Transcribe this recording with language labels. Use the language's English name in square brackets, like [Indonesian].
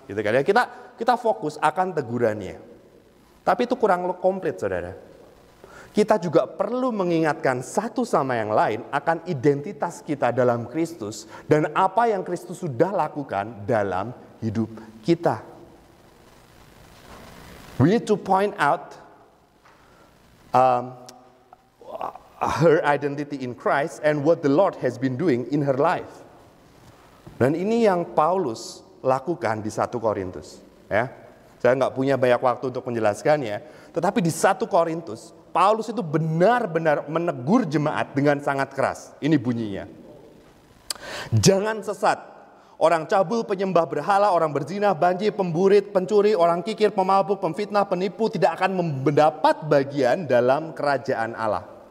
[Indonesian] Gitu kan. Ya, kita fokus akan tegurannya. Tapi itu kurang komplit, saudara. Kita juga perlu mengingatkan satu sama yang lain akan identitas kita dalam Kristus dan apa yang Kristus sudah lakukan dalam hidup kita. [English] We need to point out her identity in Christ and what the Lord has been doing in her life. [Indonesian] Dan ini yang Paulus lakukan di 1 Korintus. Ya, saya nggak punya banyak waktu untuk menjelaskannya, tetapi di 1 Korintus, Paulus itu benar-benar menegur jemaat dengan sangat keras. Ini bunyinya. Jangan sesat. Orang cabul, penyembah berhala, orang berzina, banji, pemburit, pencuri, orang kikir, pemabuk, pemfitnah, penipu tidak akan mendapat bagian dalam kerajaan Allah.